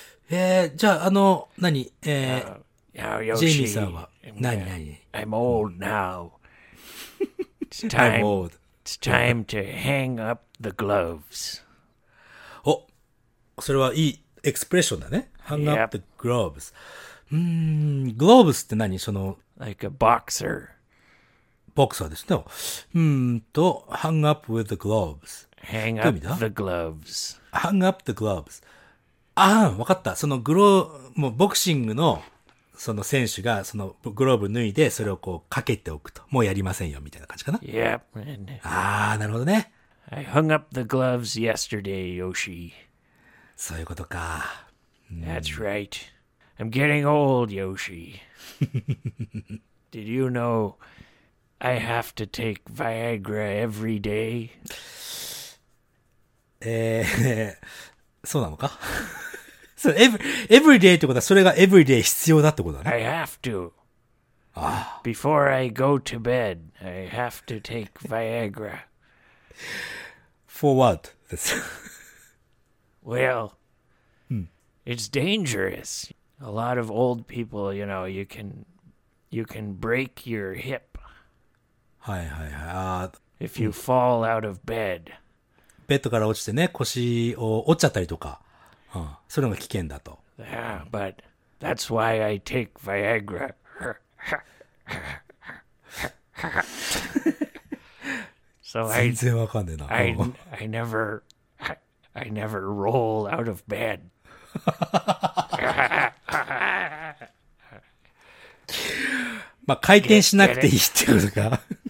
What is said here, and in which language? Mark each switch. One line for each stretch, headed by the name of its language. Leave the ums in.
Japanese: えー、じゃあ、あの、何、えー uh, yeah, ジェイミーさんは、okay. 何、何
English: ?I'm old now.It's time, time to hang up the gloves.
Japanese: お、それはいい。エクスプレッションだね。
English: Hung up the gloves.
Japanese: Gloves って何その。
English: Like a boxer.
Japanese: ボクサーですね。
English: うんと、hung up with the gloves.Hang up the gloves.Hung up the gloves.
Japanese: ああ、わかった。そのグロもうボクシングのその選手がそのグローブ脱いでそれをこうかけておくと。もうやりませんよみたいな感
English: じかな。Yep.
Japanese: ああ、なるほどね。
English: I hung up the gloves yesterday, Yoshi.
Japanese: そういうことか。
English: That's right. I'm getting old, Yoshi. Did you know I have to take Viagra every day?
Japanese: えー、そうなのかそう、
English: every, day
Japanese: ってことは、それが every day 必要だってことだね。
English: I have to. ああ。 Before I go to bed, I have to take Viagra. For what? Well, hmm. it's dangerous. A lot of old people, you know, you can you can break your hip. Hi, hi, hi. Uh, if you hmm. fall out of bed.
Japanese: ベッドから落ちてね、腰を折っちゃったりとか、うん、それが危険だと。
English: Yeah, but that's why I take Viagra. so I,
Japanese: 全然わかんねえな。
English: I, I never I never roll out of bed.
Japanese: まあ回転しなくていいってことか